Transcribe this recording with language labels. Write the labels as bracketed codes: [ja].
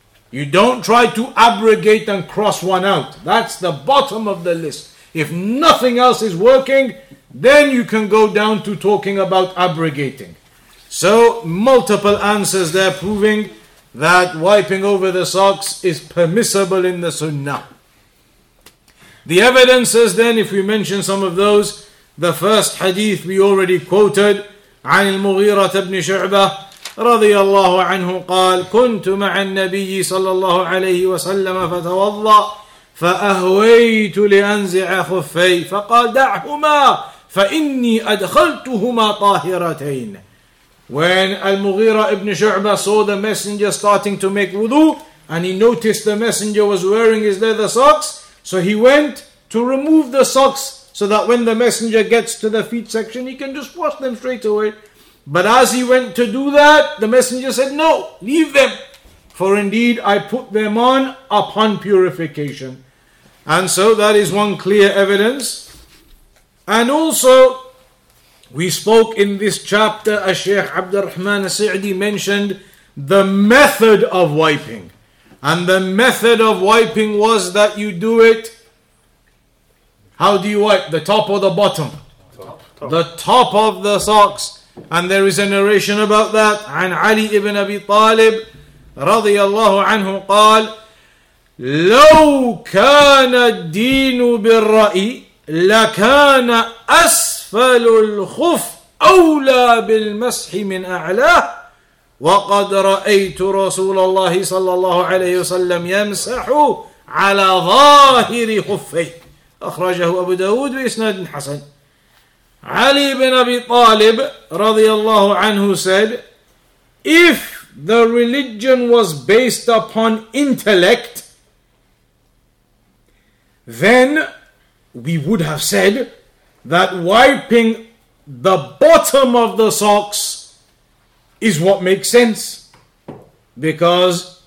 [en] You don't try to abrogate and cross one out. That's the bottom of the list. If nothing else is working, then you can go down to talking about abrogating. So, multiple answers there proving that wiping over the socks is permissible in the sunnah. The evidences then, if we mention some of those, the first hadith we already quoted, [ar] عن المغيرة بن شعبة رضي الله عنه قال كنت مع النبي صلى الله عليه وسلم فتوضأ فأهويت لأنزع خفي فقال دعهما فإني أدخلتهما طاهرتين. [en] When Al-Mughira ibn Shu'bah saw the messenger starting to make wudu, and he noticed the messenger was wearing his leather socks, so he went to remove the socks so that when the messenger gets to the feet section, he can just wash them straight away. But as he went to do that, the messenger said, no, leave them, for indeed I put them on upon purification. And so that is one clear evidence. And also, we spoke in this chapter, as Shaykh Abdul Rahman Sa'di mentioned, the method of wiping. And the method of wiping was that you do it, how do you wipe, the top or the bottom? Top. The top of the socks. And there is a narration about that. [ar] عن علي ابن أبي طالب رضي الله عنه قال لو كان الدين بالرأي لكان أس فل الخف أولى بالمسح من أعلاه وقد رأيت رسول الله صلى الله عليه وسلم يمسح على ظاهر خفه أخرجه أبو داود بإسناد حسن. [en] علي بن أبي طالب [ar] رضي الله عنه [en] said, if the religion was based upon intellect, then we would have said that wiping the bottom of the socks is what makes sense. Because